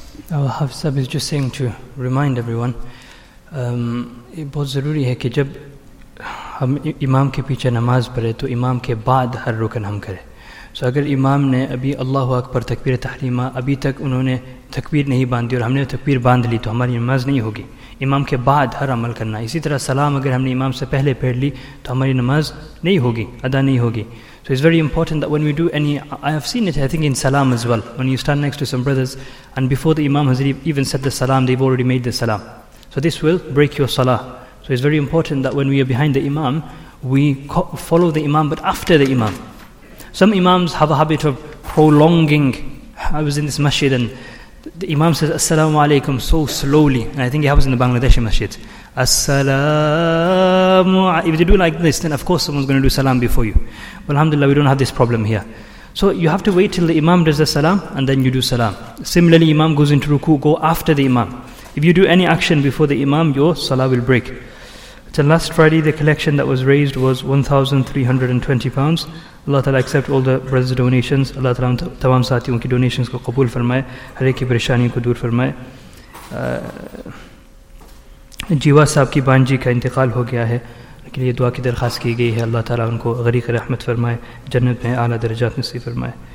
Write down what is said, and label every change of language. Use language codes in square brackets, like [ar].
[en] Our Hafsab is just saying to remind everyone, it is very important that when we [ur] Imam ke peeche namaz padhe to Imam ke baad har rukn hum kare. سو اگر امام نے ابھی اللہ اکبر تکبیر تحریمہ ابھی تک انہوں نے تکبیر نہیں باندھی اور ہم نے تکبیر بند لی تو ہماری نماز نہیں ہوگی۔ امام کے بعد ہر عمل کرنا۔ اسی طرح سلام اگر ہم نے امام سے پہلے پڑھ لی تو ہماری نماز نہیں ہوگی، ادا نہیں ہوگی۔ [en] So it's very important that when we do any, I have seen it, I think, in salam as well. When you stand next to some brothers, and before the Imam has even said the salam, they've already made the salam. So this will break your salah. So it's very important that when we are behind the Imam, we follow the Imam, but after the Imam. Some Imams have a habit of prolonging. I was in this masjid, and the Imam says, Assalamu alaikum, so slowly. And I think it happens in the Bangladeshi masjid. As-salamu. If they do like this, then of course someone's going to do salam before you. But alhamdulillah, we don't have this problem here. So you have to wait till the imam does the salam, and then you do salam. Similarly, imam goes into ruku, go after the imam. If you do any action before the imam, your salah will break. Till last Friday, the collection that was raised was £1,320. Allah Ta'ala accept all the brothers' donations. [ur] اللہ تعالیٰ تمام ساتی ان کی donations کو قبول فرمائے۔ ہریکی پریشانی کو دور فرمائے۔ جیوا صاحب کی بانجی کا انتقال ہو گیا ہے، لیکن یہ دعا کی درخواست کی گئی ہے۔ اللہ تعالیٰ ان کو غریق رحمت فرمائے، جنت میں اعلیٰ درجات نصیب فرمائے۔